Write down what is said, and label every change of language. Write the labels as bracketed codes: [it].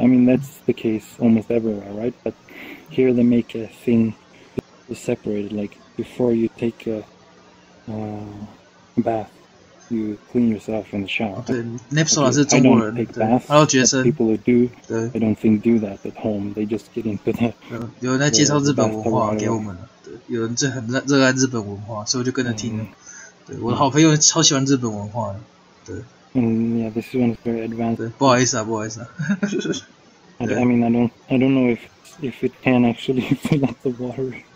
[en] I mean, that's the case almost everywhere, right? But here they make a thing to separate it. Like, before you take a bath, you clean yourself in the shower. I don't take baths. People who do, I don't think do that at home. They just get into the bathroom. [zh] 有人很热爱日本文化, 所以我就跟着听了, 对, 我的好朋友超喜欢日本文化, 对, [en] yeah, this one is very advanced. [zh] 对, 不好意思啊, 不好意思啊, [en] I mean, I don't know if it can actually fill up the water.